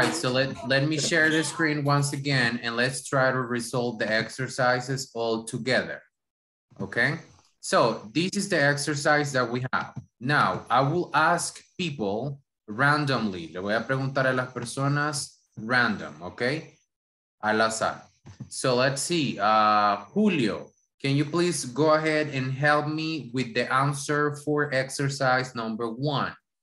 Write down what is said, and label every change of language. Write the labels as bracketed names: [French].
[English] All right, so let me share the screen once again and let's try to resolve the exercises all together. Okay? So, this is the exercise that we have. Now, I will ask people randomly. [Spanish] Le voy a preguntar a las personas random, okay? Al azar. [English] So, let's see. Julio, can you please go ahead and help me with the answer for exercise number 1?